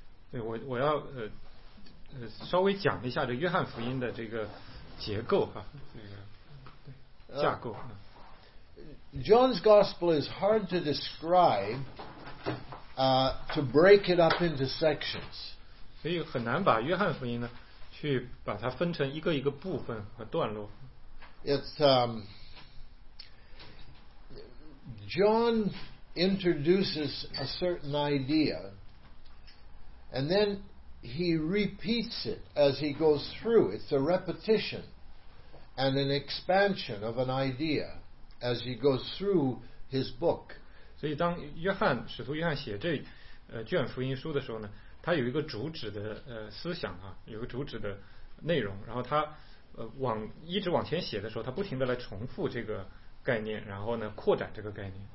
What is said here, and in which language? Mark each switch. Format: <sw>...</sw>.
<zh>对，我要稍微讲一下这约翰福音的这个结构哈，这个架构。</zh> <en>John's Gospel is hard to describe, to break it up into sections.</en> <zh>所以很难把约翰福音呢，去把它分成一个一个部分和段落。</zh> <en>It's John introduces a certain idea, and then he repeats it as he goes through. It's a repetition and an expansion of an idea as he goes through his book.</en> <zh>所以当约翰使徒约翰写这卷福音书的时候呢，他有一个主旨的思想啊，有个主旨的内容，然后他一直往前写的时候，他不停的来重复这个概念，然后呢扩展这个概念。</zh>